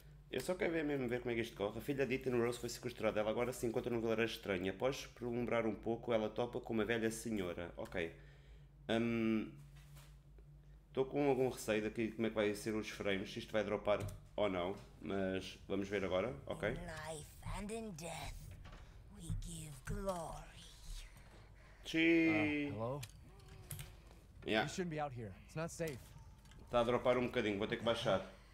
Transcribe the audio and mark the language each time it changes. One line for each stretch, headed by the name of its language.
Portuguese: Eu só quero mesmo ver como é que isto corre. A filha de Ethan Rose foi sequestrada. Ela agora se encontra num vilarejo estranho. Após perlumbrar um pouco, ela topa com uma velha senhora. Ok. Estou com algum receio daqui de como é que vai ser os frames, se isto vai dropar ou não. Mas vamos ver agora, ok?
English: In life and in death, we give glory. Hello? You shouldn't be out here. It's not safe.
Portuguese: Está a dropar um bocadinho, vou ter que baixar.